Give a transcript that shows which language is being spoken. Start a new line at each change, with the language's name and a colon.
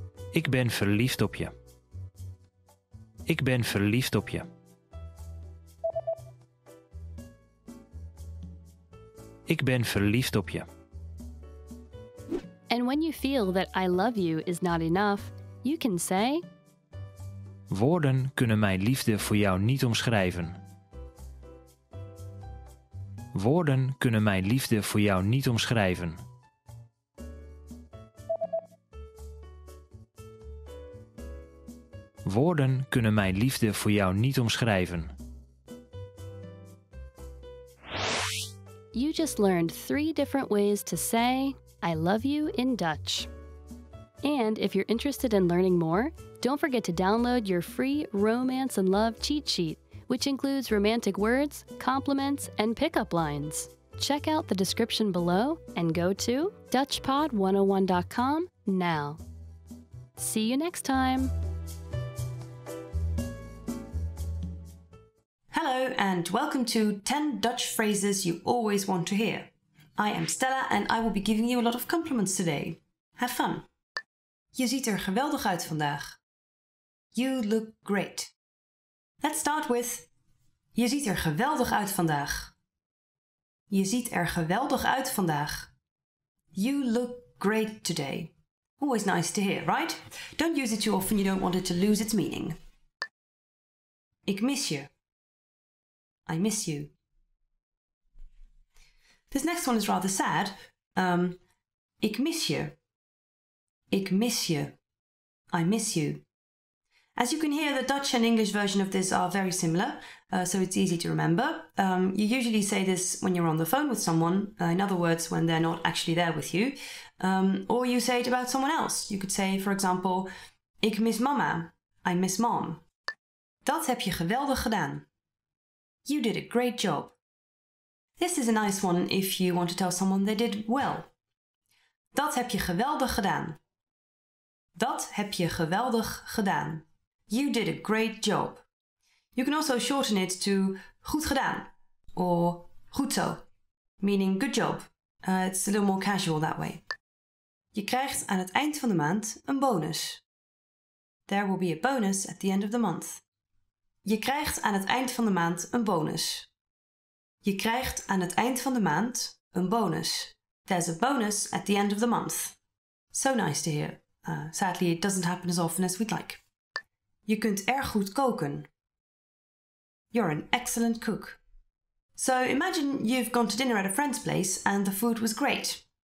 Dutch: Ik ben verliefd op je. Ik ben verliefd op je. Ik ben verliefd op je.
English: And when you feel that I love you is not enough, you can say
Dutch: Woorden kunnen mijn liefde voor jou niet omschrijven. Woorden kunnen mijn liefde voor jou niet omschrijven. Woorden kunnen mijn liefde voor jou niet omschrijven.
English: You just learned three different ways to say I love you in Dutch. And if you're interested in learning more, don't forget to download your free Romance and Love cheat sheet, which includes romantic words, compliments, and pickup lines. Check out the description below and go to DutchPod101.com now. See you next time. Hello, and welcome to 10 Dutch phrases you always want to hear. I am Stella, and I will be giving you a lot of compliments today. Have fun.
Dutch: Je ziet er geweldig uit vandaag.
English: You look great. Let's start with
Dutch: Je ziet er geweldig uit vandaag. Je ziet er geweldig uit vandaag.
English: You look great today. Always nice to hear, right? Don't use it too often, you don't want it to lose its meaning.
Dutch: Ik mis je.
English: I miss you. This next one is rather sad.
Dutch: Ik mis je. Ik mis je.
English: I miss you. As you can hear, the Dutch and English version of this are very similar, so it's easy to remember. You usually say this when you're on the phone with someone, in other words, when they're not actually there with you. Or you say it about someone else. You could say, for example,
Dutch: Ik mis mama.
English: I miss mom.
Dutch: Dat heb je geweldig gedaan.
English: You did a great job. This is a nice one if you want to tell someone they did well.
Dutch: Dat heb je geweldig gedaan. Dat heb je geweldig gedaan.
English: You did a great job. You can also shorten it to
Dutch: goed gedaan
English: or
Dutch: goed zo,
English: meaning good job. It's a little more casual that way.
Dutch: Je krijgt aan het eind van de maand een bonus.
English: There will be a bonus at the end of the month.
Dutch: Je krijgt aan het eind van de maand een bonus. Je krijgt aan het eind van de maand een bonus.
English: There's a bonus at the end of the month. So nice to hear. Sadly, it doesn't happen as often as we'd like.
Dutch: Je kunt erg goed koken.
English: You're an excellent cook. So imagine you've gone to dinner at a friend's place and the food was great.